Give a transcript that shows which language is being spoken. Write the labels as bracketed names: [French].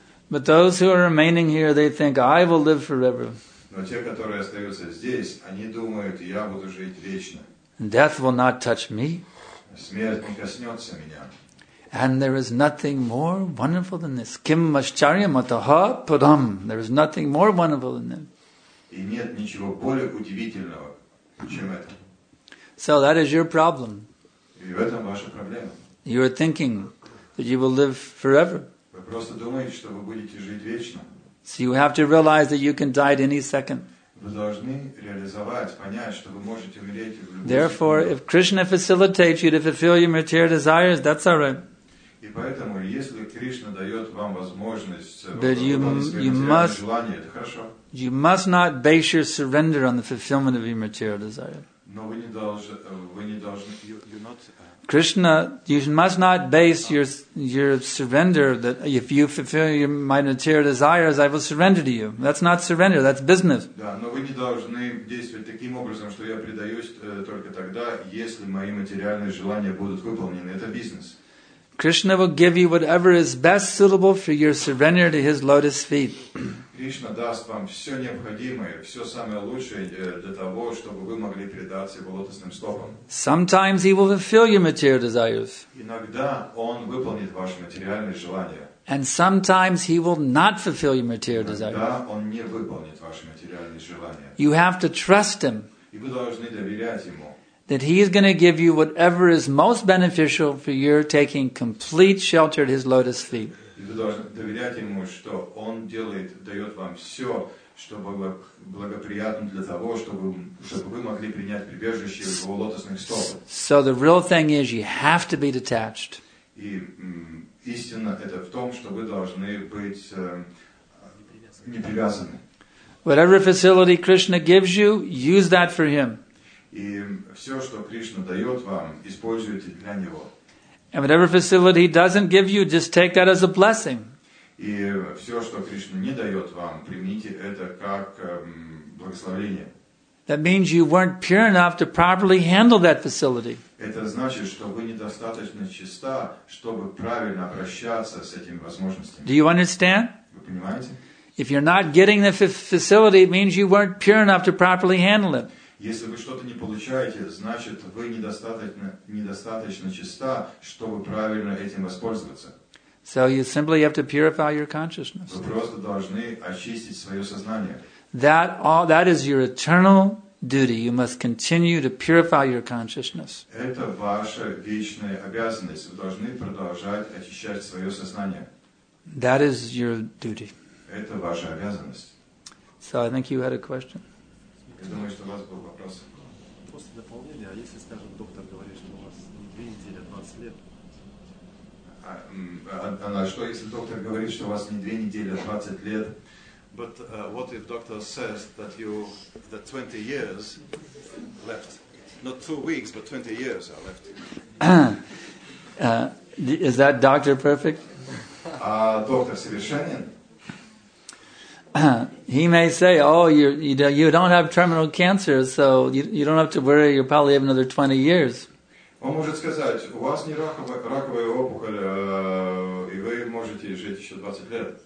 [English] But those who are remaining here, they think, I will live forever. [Russian] Но те, которые остаются здесь, они думают, я буду жить вечно. [English] Death will not touch me. [Russian] Смерть не коснется меня. [English] And there is nothing more wonderful than this. [Sanskrit] Kim mascharya mataha padam. [English] There is nothing more wonderful than this. [Russian] И нет ничего более удивительного, чем это. [English] So that is your problem. [Russian] И в этом ваша проблема. [English] You are thinking that you will live forever. [Russian] Вы просто думаете, что вы будете жить вечно. [English] So you have to realize that you can die at any second. [Russian] Вы должны реализовать, понять, что вы можете умереть в любой момент. [English] Therefore, if Krishna facilitates you to fulfill your material desires, that's all right. [Russian] И поэтому, если Кришна дает вам возможность выполнить свои материальные желания, это хорошо. [English] You must not base your surrender on the fulfillment of your material desire. [Russian] Но вы не должны, [English] Krishna, you must not base your surrender that if you fulfill my material desires, I will surrender to you. That's not surrender, that's business. [Russian] Да, но вы не должны действовать таким образом, что я предаюсь только тогда, если мои материальные желания будут выполнены. Это бизнес. [English] Krishna will give you whatever is best suitable for your surrender to his lotus feet. [Russian] Krishna даст вам все необходимое, все самое лучшее для того, чтобы вы могли предаться его лотосным стопам. [English] Sometimes he will fulfill your material desires. [Russian] Иногда он выполнит ваши материальные желания. [English] And sometimes he will not fulfill your material desires. [Russian] Иногда он не выполнит ваши материальные желания. [English] You have to trust him. [Russian] И вы должны доверять ему. [English] That he is going to give you whatever is most beneficial for your taking complete shelter at his lotus feet. [Russian] Вы должны доверять ему, что он дает вам все, что благоприятно для того, чтобы вы могли принять прибежище в его лотосных стопах. [English] So the real thing is, you have to be detached. [Russian] И истина это в том, что вы должны быть непривязаны. [English] Whatever facility Krishna gives you, use that for him. [Russian] И все, что Кришна дает вам, используйте для него. [English] And whatever facility he doesn't give you, just take that as a blessing. [Russian] И все, что Кришна не дает вам, примите это как благословение. [English] That means you weren't pure enough to properly handle that facility. [Russian] Это значит, что вы недостаточно чиста, чтобы правильно обращаться с этим возможностями. [English] Do you understand? [Russian] Вы понимаете? [English] If you're not getting the facility, it means you weren't pure enough to properly handle it. [Russian] Если вы что-то не получаете, значит, вы недостаточно чиста, чтобы правильно этим воспользоваться. [English] So you simply have to purify your consciousness. [Russian] Вы просто должны очистить свое сознание. [English] That is your eternal duty. You must continue to purify your consciousness. [Russian] Это ваша вечная обязанность. Вы должны продолжать очищать свое сознание. [English] That is your duty. [Russian] Это ваша обязанность. [English] So I think you had a question. [Russian] Я думаю, что у вас был вопрос. После дополнения, а если, скажем, доктор говорит, что у вас не 2 недели, а 20 лет? А что, если доктор говорит, что у вас не 2 недели, а 20 лет? [English] But what if doctor says that you that 20 years left? Not 2 weeks, but 20 years are left. Is that doctor perfect? [Russian] Доктор совершенен? [English] He may say, "Oh, you don't have terminal cancer, so you don't have to worry. You probably have another 20 years." [Russian] Он может сказать, у вас не раковая опухоль, и вы можете жить еще 20 лет.